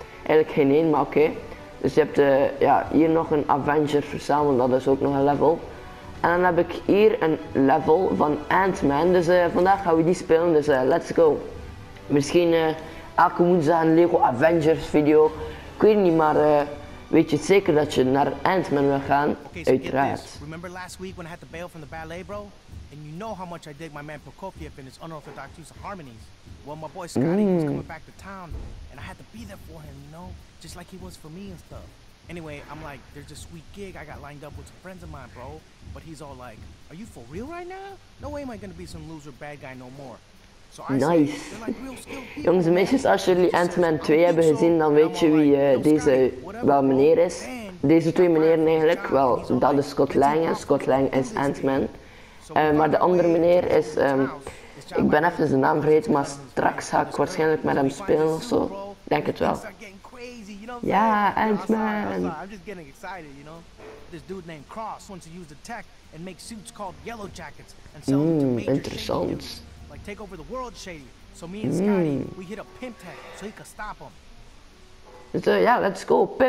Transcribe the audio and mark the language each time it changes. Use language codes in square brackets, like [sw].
[nl] Eigenlijk geen één, maar oké. Dus je hebt hier nog een Avenger verzameld, dat is ook nog een level. En dan heb ik hier een level van Ant-Man, dus vandaag gaan we die spelen, dus [en] let's go. [nl] Misschien elke woensdag een Lego Avengers video, ik weet het niet, maar... Weet je zeker dat je naar Ant-Man wil gaan? Uiteraard. [en] Remember last week when I had to bail from the ballet, bro? And you know how much I dig my man Prokofiev and his unorthodox use of harmonies. Well, my boy Scotty was coming back to town, and I had to be there for him, you know? Just like he was for me and stuff. Anyway, I'm like, there's a sweet gig I got lined up with some friends of mine, bro. But he's all like, are you for real right now? No way am I gonna be some loser bad guy no more. Nice. [nl] Jongens en meisjes, als jullie Ant-Man 2 hebben gezien, dan weet je wie deze wel meneer is. Deze twee meneeren eigenlijk, wel, dat is Scott Lang en Scott Lang is Ant-Man. Maar de andere meneer is, ik ben even zijn naam vergeten, maar straks ga ik waarschijnlijk met hem spelen of zo. Denk het wel. Ja, Ant-Man. [en] This dude named Cross wants to use the tech and make suits called yellow jackets and sell them to major interessant. Like take over the world, Shady. So me and Scotty, we hit a pimp tech so he could stop him. So yeah, let's go.